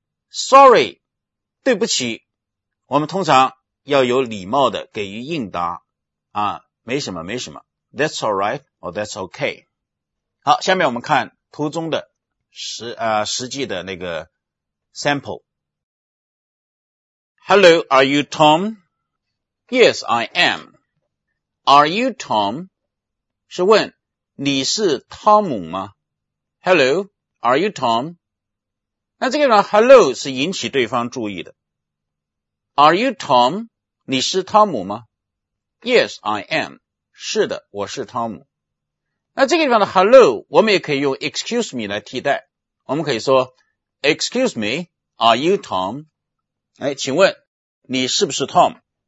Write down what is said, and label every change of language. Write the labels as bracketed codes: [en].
[en] sorry [zh] 对不起我们通常要有礼貌的给予应答啊，没什么没什么 [en] that's alright or that's okay [zh] 好下面我们看图中的 实际的那个 sample [en] Hello are you Tom? Yes I amAre you Tom? [zh] 是问你是汤姆吗 ? [en] Hello, are you Tom? [zh] 那这个呢 ,Hello 是引起对方注意的。 [en] Are you Tom? [zh] 你是汤姆吗 ? [en] Yes, I am. [zh] 是的我是汤姆。那这个地方的 Hello, 我们也可以用 [en] Excuse me [zh] 来替代。我们可以说 , [en] Excuse me, are you Tom? [zh] 哎请问你是不是 Tom?